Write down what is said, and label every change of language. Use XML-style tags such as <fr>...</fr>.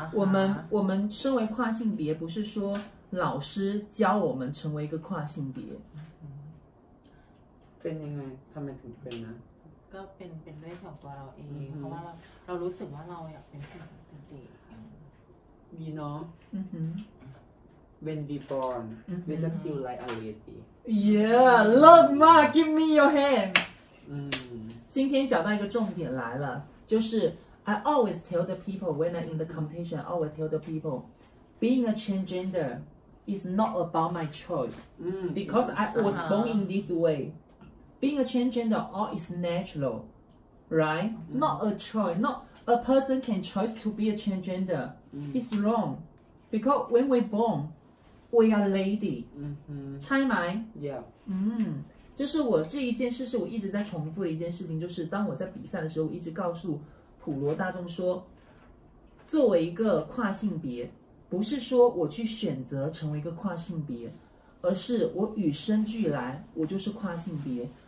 <zh>我们身为跨性别，不是说老师教我们成为一个跨性别。变应该他们怎么变呢？</zh> <th>ก็เป็นด้วยของตัวเราเองเพราะว่าเรารู้สึกว่าเราอยากเป็นผู้หญิงจริง</th> <en>ๆ You know. When we born, we just feel like a lady. Yeah, look, Ma, give me your hand.</en> <zh>今天讲到一个重点来了，就是</zh> <en>I always tell the people when I'm in the competition, I always tell the people, being a transgender is not about my choice. Because I was born in this way. Being a transgender all is natural, right? Not a choice. Not a person can choose to be a transgender. It's wrong. Because when we're born, We are lady.</en> <zh>嗯哼，猜埋。</zh> <en>Yeah.</en> <zh>嗯，就是我这一件事是我一直在重复的一件事情，就是当我在比赛的时候，我一直告诉普罗大众说，作为一个跨性别，不是说我去选择成为一个跨性别，而是我与生俱来，我就是跨性别。</zh>